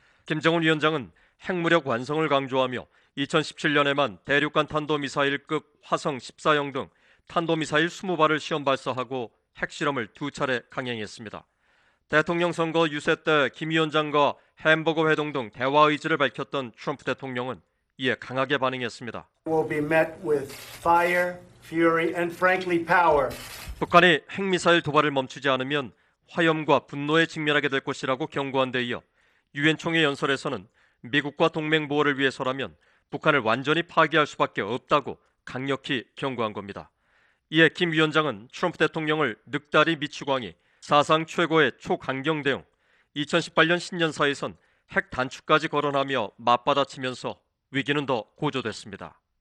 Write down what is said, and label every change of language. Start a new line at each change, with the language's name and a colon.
Korean: 김정은 위원장은 핵무력 완성을 강조하며 2017년에만 대륙간 탄도미사일급 화성 14형 등 탄도미사일 20발을 시험 발사하고 핵실험을 두 차례 강행했습니다. 대통령 선거 유세 때 김 위원장과 햄버거 회동 등 대화 의지를 밝혔던 트럼프 대통령은 이에 강하게 반응했습니다.
English: We'll be met with fire, fury, and frankly, power.
Korean: 북한이 핵미사일 도발을 멈추지 않으면 화염과 분노에 직면하게 될 것이라고 경고한 데 이어 유엔 총회 연설에서는 미국과 동맹 보호를 위해서라면 북한을 완전히 파괴할 수밖에 없다고 강력히 경고한 겁니다. 이에 김 위원장은 트럼프 대통령을 늑다리 미추광이 사상 최고의 초강경 대응, 2018년 신년사에선 핵 단추까지 거론하며 맞받아치면서 위기는 더 고조됐습니다.